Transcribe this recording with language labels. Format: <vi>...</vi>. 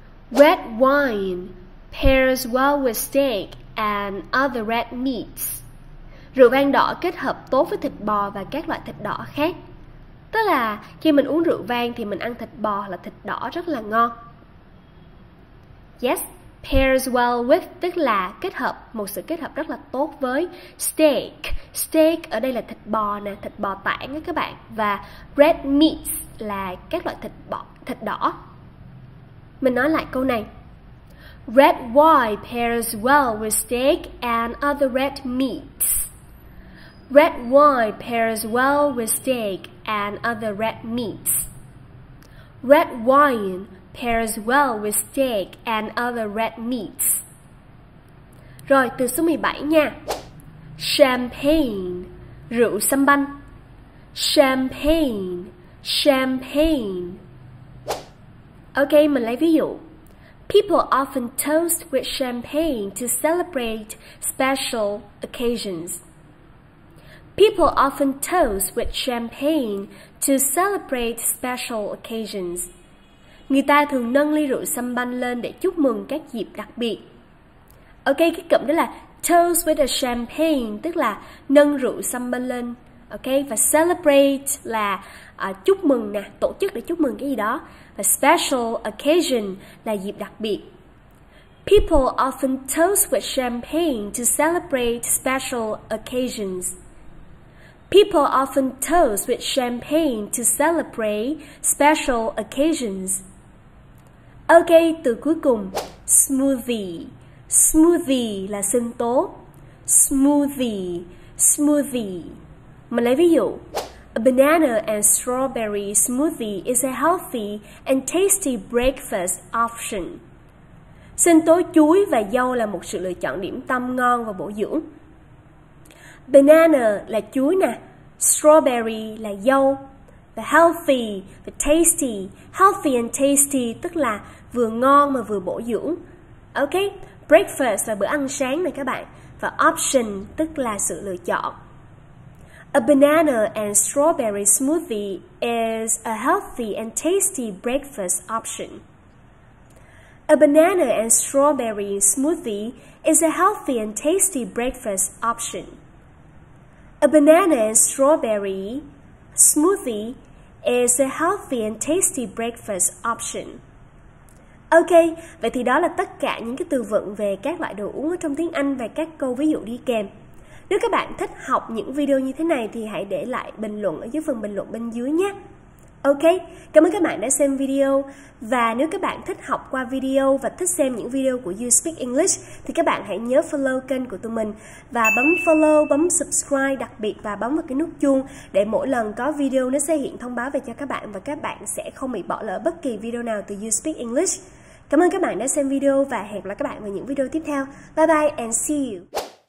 <en>Red wine pairs well with steak and other red meats.</en> <vi>Rượu vang đỏ kết hợp tốt với thịt bò và các loại thịt đỏ khác. Tức là khi mình uống rượu vang thì mình ăn thịt bò hoặc là thịt đỏ rất là ngon.</vi> <en>Yes, pairs well with,</en> <vi>tức là kết hợp, một sự kết hợp rất là tốt với steak. Steak ở đây là thịt bò nè, thịt bò tảng á các bạn. Và red meats là các loại thịt bò, thịt đỏ. Mình nói lại câu này.</vi> <en>Red wine pairs well with steak and other red meats. Red wine pairs well with steak and other red meats. Red wine pairs well with steak and other red meats.</en> <vi>Rồi, từ số 17 nha. Champagne, rượu sâm banh. Champagne, champagne. Ok, mình lấy ví dụ.</vi> <en>People often toast with champagne to celebrate special occasions. People often toast with champagne to celebrate special occasions.</en> <vi>Người ta thường nâng ly rượu sâm banh lên để chúc mừng các dịp đặc biệt. Ok, cái cụm đó là</vi> <en>toast with a champagne,</en> <vi>tức là nâng rượu sâm banh lên. Ok, và celebrate là chúc mừng nè, tổ chức để chúc mừng cái gì đó. Và special occasion là dịp đặc biệt.</vi> <en>People often toast with champagne to celebrate special occasions. People often toast with champagne to celebrate special occasions.</en> <vi>Ok, từ cuối cùng, smoothie. Smoothie là sinh tố. Smoothie, smoothie. Mình lấy ví dụ.</vi> <en>A banana and strawberry smoothie is a healthy and tasty breakfast option.</en> <vi>Sinh tố chuối và dâu là một sự lựa chọn điểm tâm ngon và bổ dưỡng. Banana là chuối nè, strawberry là dâu.</vi> <en>The healthy, the tasty, healthy and tasty</en> <vi>tức là vừa ngon mà vừa bổ dưỡng. Ok, breakfast là bữa ăn sáng nè các bạn. Và option tức là sự lựa chọn.</vi> <en>A banana and strawberry smoothie is a healthy and tasty breakfast option. A banana and strawberry smoothie is a healthy and tasty breakfast option. A banana and strawberry smoothie is a healthy and tasty breakfast option.</en> <vi>Ok, vậy thì đó là tất cả những cái từ vựng về các loại đồ uống ở trong tiếng Anh và các câu ví dụ đi kèm. Nếu các bạn thích học những video như thế này thì hãy để lại bình luận ở dưới phần bình luận bên dưới nhé. Ok, cảm ơn các bạn đã xem video. Và nếu các bạn thích học qua video và thích xem những video của You Speak English thì các bạn hãy nhớ follow kênh của tụi mình và bấm follow, bấm subscribe đặc biệt và bấm vào cái nút chuông để mỗi lần có video nó sẽ hiện thông báo về cho các bạn và các bạn sẽ không bị bỏ lỡ bất kỳ video nào từ You Speak English. Cảm ơn các bạn đã xem video và hẹn gặp lại các bạn vào những video tiếp theo.</vi> <en>Bye bye and see you!</en>